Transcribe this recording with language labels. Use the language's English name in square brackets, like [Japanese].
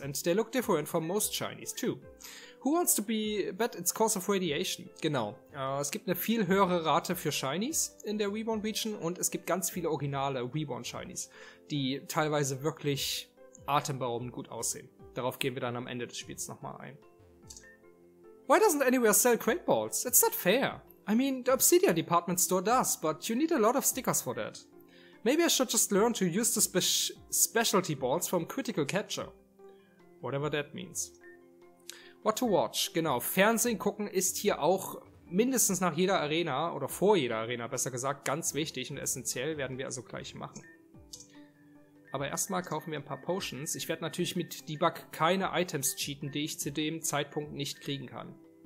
[English] And they look different from most Shinies too. Who wants to bet its cause of radiation? [German] Genau. Es gibt eine viel höhere Rate für Shinies in der Reborn Region und es gibt ganz viele originale Reborn Shinies, die teilweise wirklich atemberaubend gut aussehen. Darauf gehen wir dann am Ende des Spiels nochmal ein. [English] Why doesn't anywhere sell Great Balls? It's not fair. I mean, the Obsidian Department Store does, but you need a lot of stickers for that. Maybe I should just learn to use the specialty balls from Critical Capture. Whatever that means. What to watch, genau. [German] Fernsehen gucken ist hier auch mindestens nach jeder Arena oder vor jeder Arena, besser gesagt, ganz wichtig und essentiell, werden wir also gleich machen. Aber erstmal kaufen wir ein paar Potions. Ich werde natürlich mit Debug keine Items cheaten, die ich zu dem Zeitpunkt nicht kriegen kann.